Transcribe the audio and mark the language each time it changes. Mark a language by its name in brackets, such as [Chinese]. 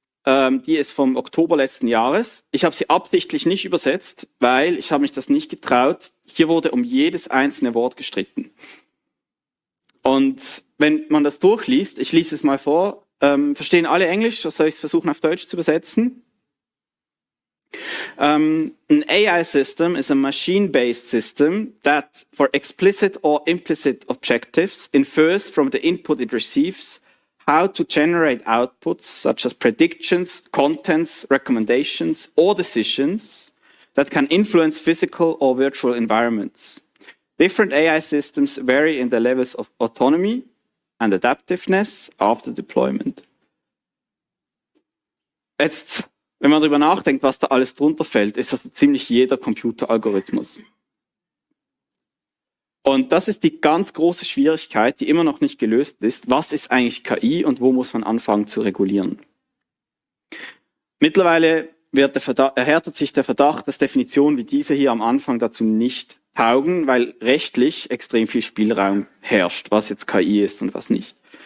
[German] Die ist vom Oktober letzten Jahres. Ich habe sie absichtlich nicht übersetzt, weil ich habe mich das nicht getraut. Hier wurde um jedes einzelne Wort gestritten. Und wenn man das durchliest, ich lese es mal vor, verstehen alle Englisch, oder soll ich es versuchen auf Deutsch zu übersetzen? [English] An AI system is a machine-based system that for explicit or implicit objectives infers from the input it receives how to generate outputs such as predictions, contents, recommendations or decisions that can influence physical or virtual environments. Different AI systems vary in the levels of autonomy and adaptiveness after deployment. [German] Jetzt, wenn man darüber nachdenkt, was da alles drunter fällt, ist das ziemlich jeder Computeralgorithmus. Und das ist die ganz große Schwierigkeit, die immer noch nicht gelöst ist. Was ist eigentlich KI und wo muss man anfangen zu regulieren? Mittlerweile erhärtet sich der Verdacht, dass Definitionen wie diese hier am Anfang dazu nicht taugen, weil rechtlich extrem viel Spielraum herrscht, was jetzt KI ist und was nicht.